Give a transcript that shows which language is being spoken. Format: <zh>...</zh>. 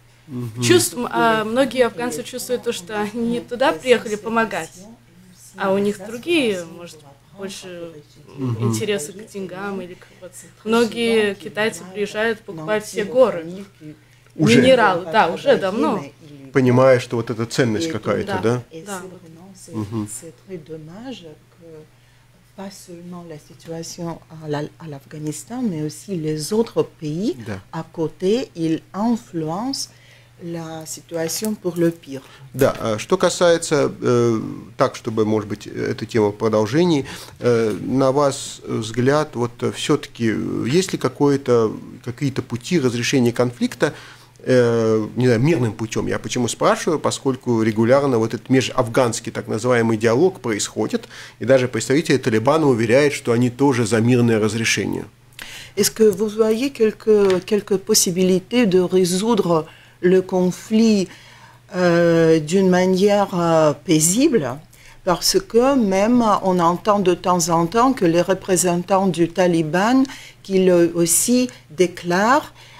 <ru>Многие афганцы чувствуют то, что они не туда приехали помогать, а у них другие, может, больше интересы к деньгам или к вот. Многие китайцы приезжают покупать все горы, уже минералы, да, уже давно. Понимая, что вот эта ценность какая-то, да? Да.</ru> <fr>C'est très dommage que pas seulement la situation à l'Afghanistan, mais aussi les autres pays à côté, ils influencent la situation pour le pire.</fr> <ru>Да, что касается, так, чтобы, может быть, эта тема в продолжении, на вас взгляд, вот все-таки есть ли какие-то пути разрешения конфликта, не знаю, мирным путем. Я почему спрашиваю? Поскольку регулярно вот этот межафганский так называемый диалог происходит, и даже представители Талибана уверяют, что они тоже за мирное разрешение.</ru> <fr>Est-ce que vous voyez quelques possibilités de résoudre le conflit d'une manière paisible? Parce que même on entend de temps en temps que les représentants du Taliban qu'ils aussi déclarent</fr>